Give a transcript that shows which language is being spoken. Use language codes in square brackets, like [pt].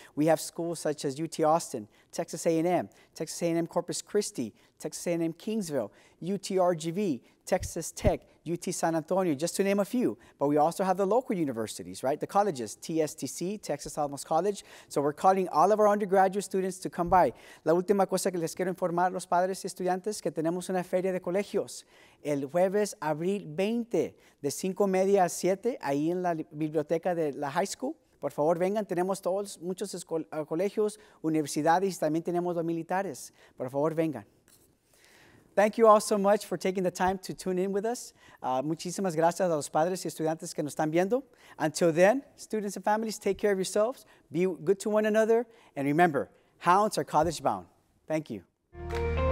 [en] We have schools such as UT Austin, Texas A&M, Texas A&M Corpus Christi, Texas A&M Kingsville, UTRGV, Texas Tech, UT San Antonio, just to name a few. But we also have the local universities, right? The colleges, TSTC, Texas Alamos College. So we're calling all of our undergraduate students to come by. [es] La última cosa que les quiero informar a los padres y estudiantes que tenemos una feria de colegios. El jueves, abril 20, de 5:30 a 7, ahí en la biblioteca de la high school. Por favor, vengan. Tenemos todos, muchos colegios, universidades, y también tenemos los militares. Por favor, vengan. [en] Thank you all so much for taking the time to tune in with us. [es] Muchísimas gracias a los padres y estudiantes que nos están viendo. [en] Until then, students and families, take care of yourselves, be good to one another, and remember, Hounds are college bound. Thank you.